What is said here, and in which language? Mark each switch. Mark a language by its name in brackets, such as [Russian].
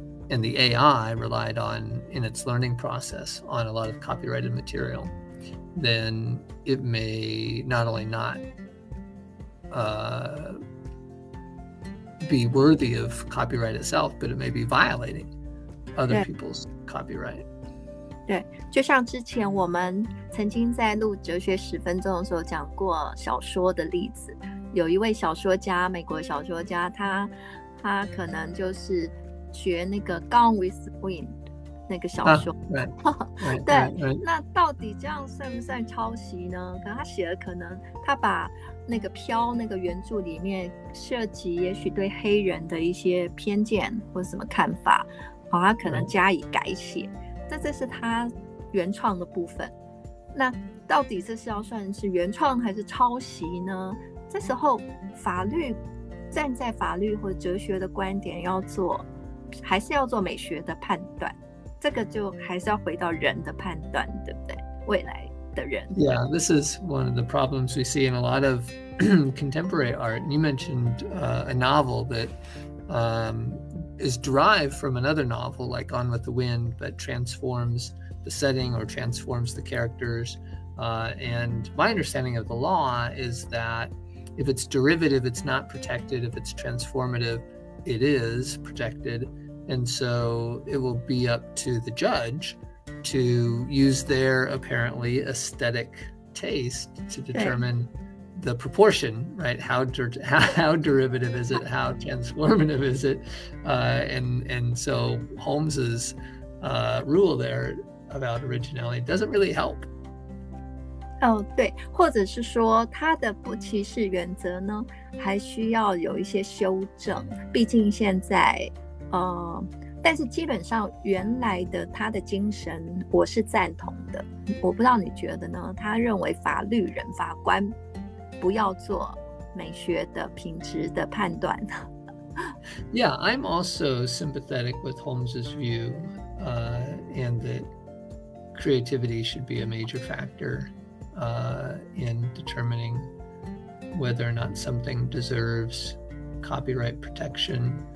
[English] And the AI relied on, in its learning process, on a lot of copyrighted material, then it may not only not be worthy of copyright itself, but it may be violating other people's copyright. [Chinese] 对，就像之前我们曾经在录哲学十分钟的时候讲过小说的例子，有一位小说家，美国小说家，他可能就是学那个 Gone with the Wind 那个小说，对，那到底这样算不算抄袭呢？可能他写的，可能他把那个飘那个原著里面涉及也许对黑人的一些偏见或什么看法，他可能加以改写，但这是他原创的部分。那到底这是要算是原创还是抄袭呢？这时候法律，站在法律或哲学的观点，要做还是要做美学的判断，这个就还是要回到人的判断，对不对？未来的人。 [English] Yeah, this is one of the problems we see in a lot of contemporary art. And you mentioned a novel that is derived from another novel, like Gone with the Wind, but transforms the setting or transforms the characters. And my understanding of the law is that if it's derivative, it's not protected. If it's transformative, it is protected. And so it will be up to the judge to use their apparently aesthetic taste to determine the proportion, right? How derivative is it? How transformative is it? And so Holmes's rule there about originality doesn't really help. [Chinese] 对，或者是说他的不歧视原则呢，还需要有一些修正。毕竟现在，但是基本上原来的他的精神，我是赞同的。我不知道你觉得呢？他认为法律人、法官不要做美学的品质的判断。 [English] Yeah, I'm also sympathetic with Holmes's view, and that creativity should be a major factor, in determining whether or not something deserves copyright protection.